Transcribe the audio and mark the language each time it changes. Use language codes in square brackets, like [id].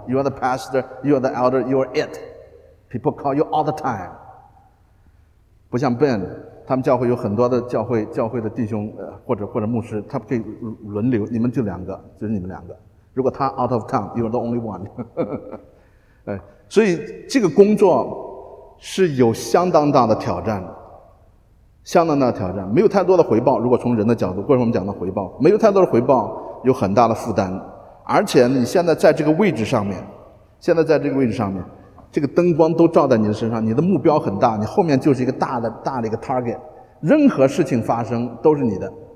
[en] You are the pastor, you are the elder, you are it. People call you all the time. [zh] 不像 Ben， 他们教会有很多的教会的弟兄或者牧师，他可以轮流，你们就两个，就是你们两个。如果他 [en] out of town, you are the only one. [zh] 所以这个工作是有相当大的挑战的。相当大的挑战，没有太多的回报。如果从人的角度，过去我们讲的回报，没有太多的回报，有很大的负担。而且你现在在这个位置上面，现在在这个位置上面，这个灯光都照在你的身上，你的目标很大，你后面就是一个大的一个 target， 任何事情发生都是你的。